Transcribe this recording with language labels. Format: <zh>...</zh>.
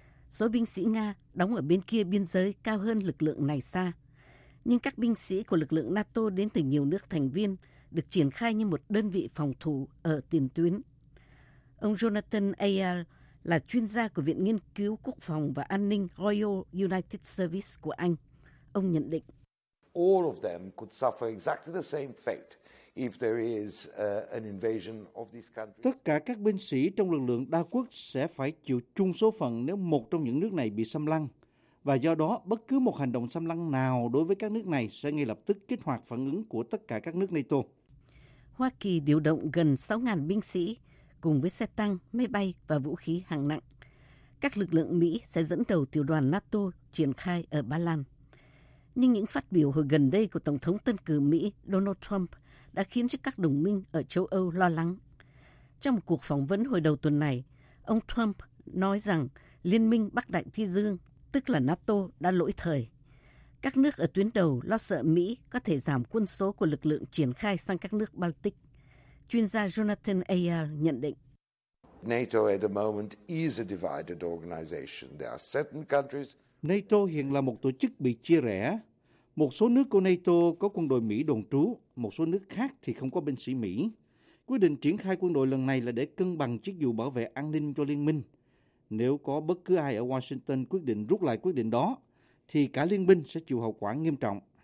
<vi>Số binh sĩ Nga đóng ở bên kia biên giới cao hơn lực lượng này xa. Nhưng các binh sĩ của lực lượng NATO đến từ nhiều nước thành viên được triển khai như một đơn vị phòng thủ ở tiền tuyến. Ông Jonathan Ayer là chuyên gia của Viện Nghiên cứu Quốc phòng và An ninh Royal United Service của Anh. Ông nhận định.</vi> <en>All of them could suffer exactly the same fate if there is an invasion of this country.</en> <vi>Tất cả các binh sĩ trong lực lượng đa quốc sẽ phải chịu chung số phận nếu một trong những nước này bị xâm lăng. Và do đó, bất cứ một hành động xâm lăng nào đối với các nước này sẽ ngay lập tức kích hoạt phản ứng của tất cả các nước NATO. Hoa Kỳ điều động gần 6.000 binh sĩ, cùng với xe tăng, máy bay và vũ khí hạng nặng. Các lực lượng Mỹ sẽ dẫn đầu tiểu đoàn NATO triển khai ở Ba Lan. Nhưng những phát biểu hồi gần đây của Tổng thống tân cử Mỹ Donald Trump đã khiến cho các đồng minh ở châu Âu lo lắng. Trong một cuộc phỏng vấn hồi đầu tuần này, ông Trump nói rằng Liên minh Bắc Đại Tây Dương, tức là NATO, đã lỗi thời. Các nước ở tuyến đầu lo sợ Mỹ có thể giảm quân số của lực lượng triển khai sang các nước Baltic. Chuyên gia Jonathan Ayer nhận định.</vi> <en>NATO at the moment is a divided organization. There are certain countries.</en> <vi>NATO hiện là một tổ chức bị chia rẽ. Một số nước của NATO có quân đội Mỹ đồn trú, một số nước khác thì không có binh sĩ Mỹ. Quyết định triển khai quân đội lần này là để cân bằng chiếc dù bảo vệ an ninh cho liên minh. Nếu có bất cứ ai ở Washington quyết định rút lại quyết định đó, thì cả liên minh sẽ chịu hậu quả nghiêm trọng.</vi>